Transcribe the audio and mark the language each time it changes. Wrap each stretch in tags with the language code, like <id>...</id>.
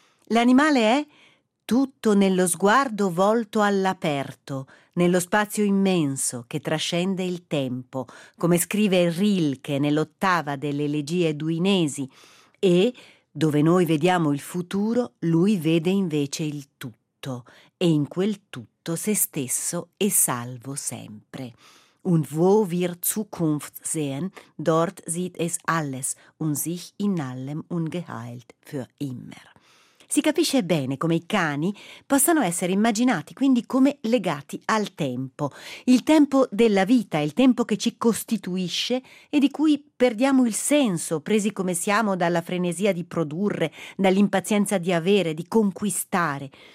<it>L'animale è tutto nello sguardo volto all'aperto, nello spazio immenso che trascende il tempo, come scrive Rilke nell'ottava delle Elegie duinesi, e dove noi vediamo il futuro, lui vede invece il tutto, e in quel tutto se stesso è salvo sempre.</it> <de>Und wo wir Zukunft sehen, dort sieht es alles und sich in allem ungeheilt für immer.</de> <it>Si capisce bene come i cani possano essere immaginati quindi come legati al tempo, il tempo della vita, il tempo che ci costituisce e di cui perdiamo il senso, presi come siamo dalla frenesia di produrre, dall'impazienza di avere, di conquistare.</it>